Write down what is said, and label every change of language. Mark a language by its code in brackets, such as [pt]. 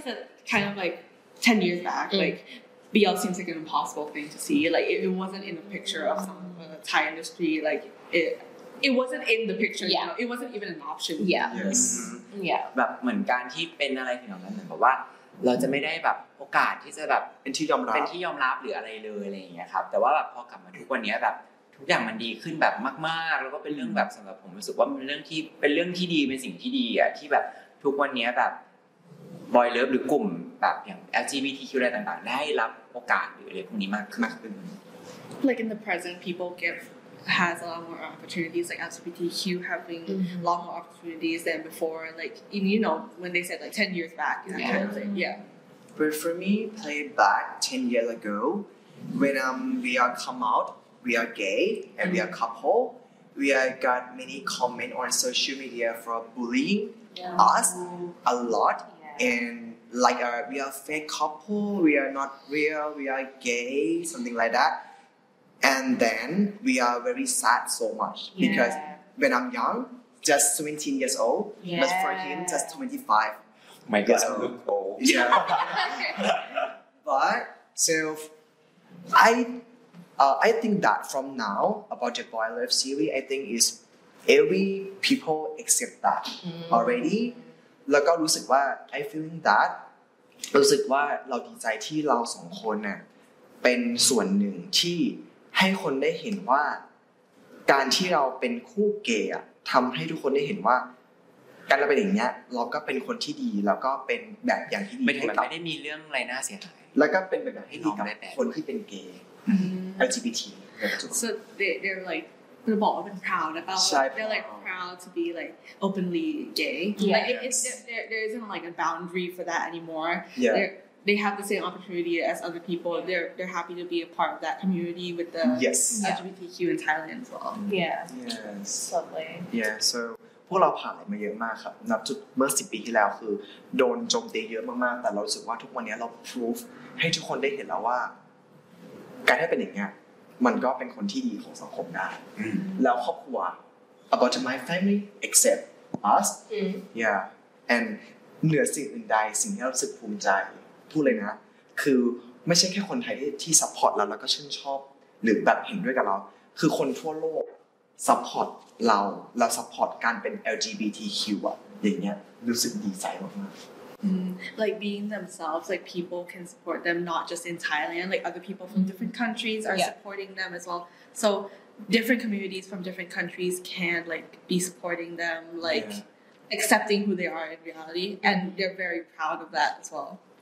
[en] said kind of like 10 years back, like BL seems like an impossible thing to see. Like it wasn't in the picture of some of the Thai industry. Like it wasn't in the picture. Yeah. You know? It wasn't even an option. Yeah. Yes. Mm-hmm. Yeah. [th] แบบเหมือนการที่เป็นอะไรที่น้องนั้นบอกว่าเราจะไม่ได้แบบโอกาสที่จะแบบ เป็นที่ยอมรับ เป็นที่ยอมรับหรืออะไรเลยอะไรอย่างเงี้ยครับแต่ว่าแบบพอกลับมาทุกวันนี้แบบทุกอย่างมันดีขึ้นแบบมากๆแล้วก็เป็นเรื่องแบบสำหรับผมรู้สึกว่าเป็นเรื่องที่ดีเป็นสิ่งที่ดีอ่ะที่แบบ ทุกวันนี้แบบบอยเลิฟหรือกลุ่มแบบอย่าง LGBTQ อะไรต่างๆได้รับโอกาสหรืออะไรพวกนี้มากขึ้น [en] Like in the present people get has a lot more opportunities like LGBTQ having a lot more opportunities than before like in, you know when they said like 10 years back you know, yeah. Kind of like, yeah but for me play back 10 years ago when we are come out we are gay and we are couple we are got many comment on social media for bullying us a lot and like we are fake couple we are not real we are gay something like that and then we are very sad so much because when I'm young just 17 years old but for him just 25 my god so, I look old yeah but so I think that from now about the boy love series I think is every people accept that already [th] แล้วก็รู้สึกว่า [en] I feeling that [th] รู้สึกว่าเราดีใจที่เราสองคนน่ะเป็นส่วนหนึ่งที่ให้คนได้เห็นว่า การที่เราเป็นคู่เกย์ทำให้ทุกคนได้เห็นว่าการเราเป็นอย่างเนี้ยเราก็เป็นคนที่ดีแล้วก็เป็นแบบอย่างที่ดีให้กับ ไม่ถึงไม่ได้มีเรื่องอะไรน่าเสียหาย แล้วก็เป็นแบบให้ดีกับคนที่เป็นเกย์ LGBT [en] so they're likethey're bold and proud about they're like proud to be like openly gay like there isn't like a boundary for that anymore they have the same opportunity as other people they're happy to be a part of that community with the LGBTQ in Thailand as well [th] so พวกเราผ่านมาเยอะมากครับนับจุดเมื่อ10ปีที่แล้วคือโดนโจมตีเยอะมากๆแต่เรารู้สึกว่าทุกวันนี้เรา proof ให้ทุกคนได้เห็นแล้วว่า การที่เป็นอย่างเงี้ยมันก็เป็นคนที่ดีของสังคมได้แล้วครอบครัว [en] about my family except us yeah and [th] เหนือสิ่งอื่นใดสิ่งที่เราสึกภูมิใจพูดเลยนะคือไม่ใช่แค่คนไทยที่ support เราแล้วก็ชื่นชอบหรือแบบเห็นด้วยกับเราคือคนทั่วโลก support เราเรา support การเป็น LGBTQ อ่ะอย่างเงี้ยรู้สึกดีใจมาก [en] Like being themselves, like people can support them not just in Thailand, like other people from different countries are supporting them as well. So different communities from different countries can like be supporting them, like accepting who they are in reality. And they're very proud of that as well.